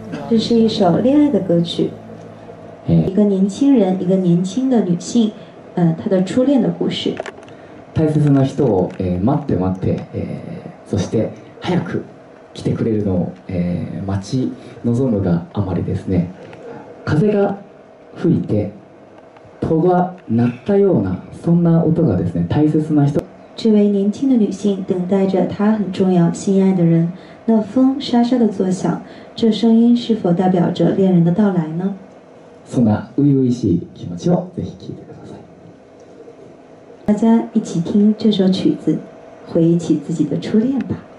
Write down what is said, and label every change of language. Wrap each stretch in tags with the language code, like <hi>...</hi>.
<zh>这是一首恋爱的歌曲，一个年轻人，一个年轻的女性，她的初恋的故事。</zh> <ja>大切な人を、待って待って、そして早く来てくれるのを、待ち望むがあまりですね。風が吹いて戸が鳴ったようなそんな音がですね、大切な人。</ja> <zh>这位年轻的女性等待着她很重要心爱的人，那风沙沙的作响，这声音是否代表着恋人的到来呢？</zh> <ja>そんな初々しい気持ちをぜひ聞いてください。</ja> <zh>大家一起听这首曲子，回忆起自己的初恋吧。</zh>